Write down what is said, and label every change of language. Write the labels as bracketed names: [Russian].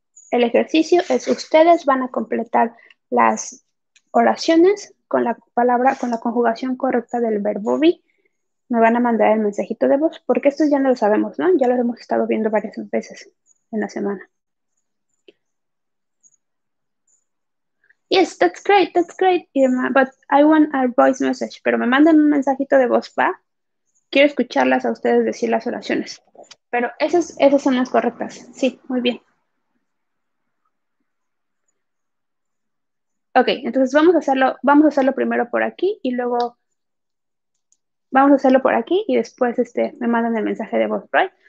[Spanish] El ejercicio es, ustedes van a completar las oraciones con la palabra, con la conjugación correcta del verbo be. Me van a mandar el mensajito de voz, porque esto ya no lo sabemos, ¿no? Ya lo hemos estado viendo varias veces en la semana. [English] Yes, that's great, Irma, but I want a voice message. [Spanish] Pero me mandan un mensajito de voz, ¿va? Quiero escucharlas a ustedes decir las oraciones. Pero esas son las correctas. Sí, muy bien. Ok, entonces vamos a hacerlo primero por aquí y luego vamos a hacerlo por aquí y después me mandan el mensaje de voz, ¿right?